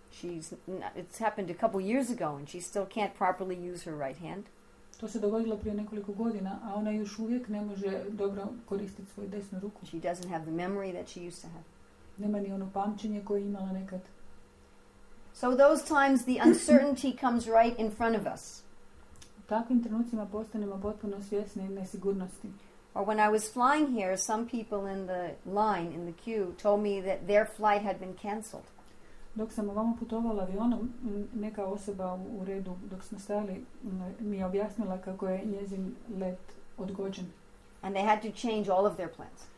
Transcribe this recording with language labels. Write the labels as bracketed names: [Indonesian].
[English] It's happened a couple years ago, and she still can't properly use her right hand. [Croatian] To se dogodilo prije nekoliko godina, a ona još uvijek ne može dobro koristiti svoju desnu ruku. [English] She doesn't have the memory that she used to have. [Croatian] Nema ni ono pamćenje koje imala nekad. [English] So those times, the uncertainty comes right in front of us. [Croatian] Takvim trenucima postanemo potpuno svjesni nesigurnosti. [English] Or when I was flying here, some people in the line, in the queue, told me that their flight had been cancelled. [Croatian] Dok sam ovamo putovala avionom, neka osoba u redu, dok smo stali, mi je objasnila kako je njezin let odgođen. [English] And they had to change all of their plans.